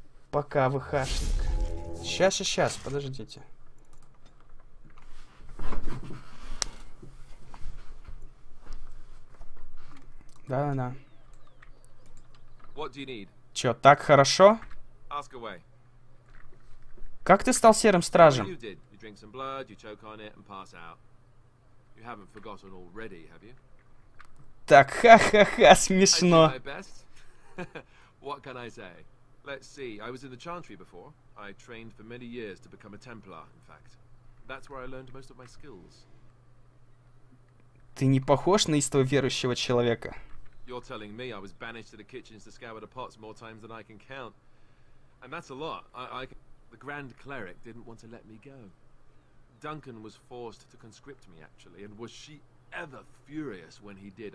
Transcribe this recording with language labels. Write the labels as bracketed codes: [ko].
[ru] Пока ВХ-шник. Сейчас, подождите. Да. [en] What do you need? [ru] Чё, так хорошо? [en] Ask away. [ru] Как ты стал серым стражем? [en] You did. You drink some blood, you choke on it and pass out. You haven't forgotten already, have you? [ru] Так, ха-ха-ха, смешно. [en] I did my best. What can I say? Let's see. I was in the Chantry before. I trained for many years to become a Templar, in fact. That's where I learned most of my skills. [ru] Ты не похож на истово верующего человека. [en] You're telling me I was banished to the kitchens to scour the pots more times than I can count. And that's a lot. The Grand Cleric didn't want to let me go. Duncan was forced to conscript me, actually, and was she ever furious when he did.